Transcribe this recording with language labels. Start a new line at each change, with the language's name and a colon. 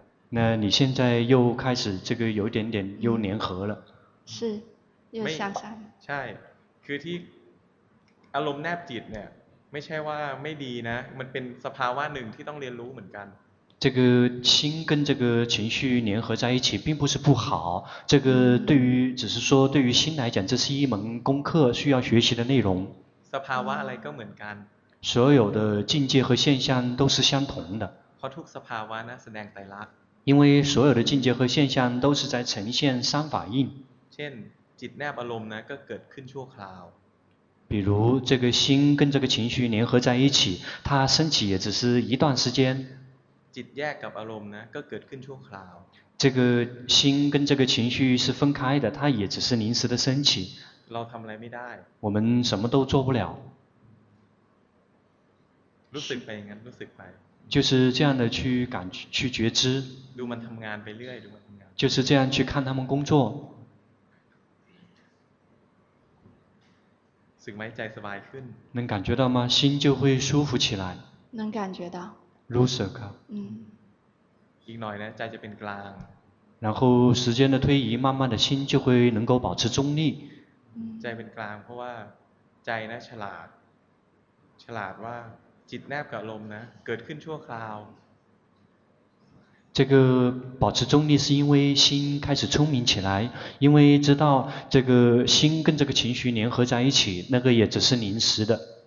Chinese: 那你现在又开始这个有点点又粘合了。是又向上。
Thai: ใช่คือที่อารมณ์แนบจิตเนี่ยไม่ใช่ว่าไม่ดีนะมันเป็นสภาวะหนึ่งที่ต้องเรียนรู้เหมือนกัน
Chinese: 这个心跟这个情绪联合在一起并不是不好，这个对于只是说对于心来讲这是一门功课需要学习的内容。
Thai: สภาวะอะไรก็เหมือนกัน
Chinese: 所有的境界和现象都是相同的。
Thai: เพราะทุกสภาวะนะแสดงไตรลักษณ์
Chinese: 因为所有的境界和现象都是在呈现三法印。
Thai: เช่นจิตแนบอารมณ์นะก็เกิดขึ้นชั่วคราว
Chinese: 比如这个心跟这个情绪联合在一起，它升起也只是一段时间。
Thai: จิตแยกกับอารมณ์นะก็เกิดขึ้นชั่วคราว
Chinese: 这个心跟这个情绪是分开的，它也只是临时的升起。
Thai: เราทำอะไรไม่ได้
Chinese: 我们什么都做不了。
Thai: รู้สึกไปงั้นรู้สึกไป
Chinese: 就是这样的去感去觉知。
Thai: ดูมันทำงานไปเรื่อยดูมันทำงาน
Chinese: 就是这样去看他们工作。
Thai: สึกไหมใจสบายขึ้น
Chinese: 能感觉到吗心就会舒服起来能感觉到
Thai: รู้สึกครับ อีกหน่อยนะใจจะเป็นกลาง
Chinese: 然后时间的推移慢慢的心就会能够保持中立
Thai: ใจเป็นกลางเพราะว่าใจนะฉลาดฉลาดว่าจิตแนบกับลมนะเกิดขึ้นชั่วคราว
Chinese: 这个保持中立是因为心开始聪明起来，因为知道这个心跟这个情绪联合在一起，那个也只是临时的。